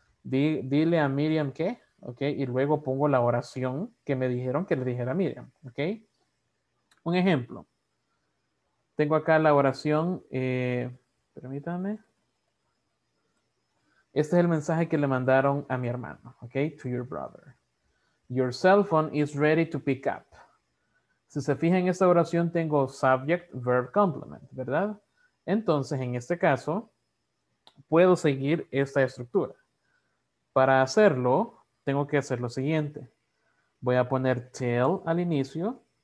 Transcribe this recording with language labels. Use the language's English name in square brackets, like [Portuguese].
[Spanish] Dile a Miriam que, ¿ok? Y luego pongo la oración que me dijeron que le dijera a Miriam, ¿ok? Un ejemplo. Tengo acá la oración, permítame. Este es el mensaje que le mandaron a mi hermano, ¿ok? [English] To your brother. Your cell phone is ready to pick up. [Spanish] Si se fija en esta oración, tengo subject, verb, complement, ¿verdad? Entonces, en este caso, puedo seguir esta estructura. Para hacerlo, tengo que hacer lo siguiente. Voy a poner tell al inicio.